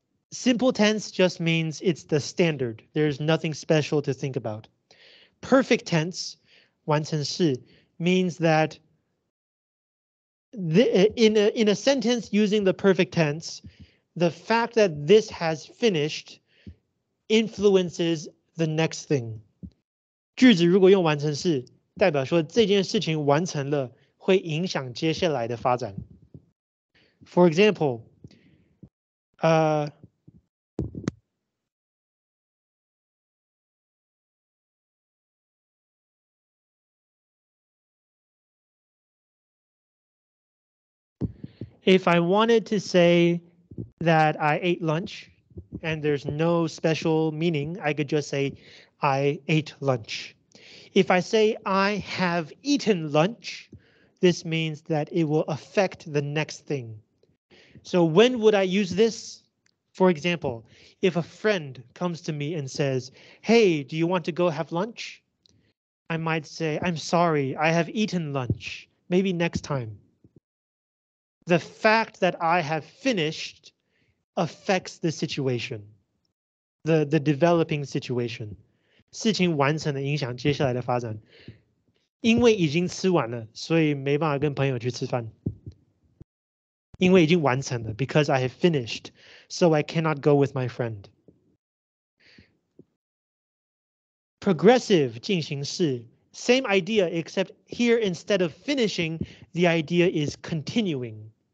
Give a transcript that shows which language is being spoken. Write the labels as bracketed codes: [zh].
[en] Simple tense just means it's the standard. There's nothing special to think about. Perfect tense, 完成式, means that in a sentence using the perfect tense, the fact that this has finished influences the next thing. [zh] 句子如果用完成式, 代表说这件事情完成了, 会影响接下来的发展. For example, if I wanted to say that I ate lunch, and there's no special meaning, I could just say, I ate lunch. If I say I have eaten lunch, this means that it will affect the next thing. So when would I use this? For example, if a friend comes to me and says, hey, do you want to go have lunch? I might say, I'm sorry, I have eaten lunch. Maybe next time. The fact that I have finished affects the situation, the developing situation. 事情完成了影响接下来的发展.因为已经吃完了, 所以没办法跟朋友去吃饭. 因为已经完成了, [en] because I have finished, so I cannot go with my friend. Progressive 进行式, same idea, except here instead of finishing, the idea is continuing.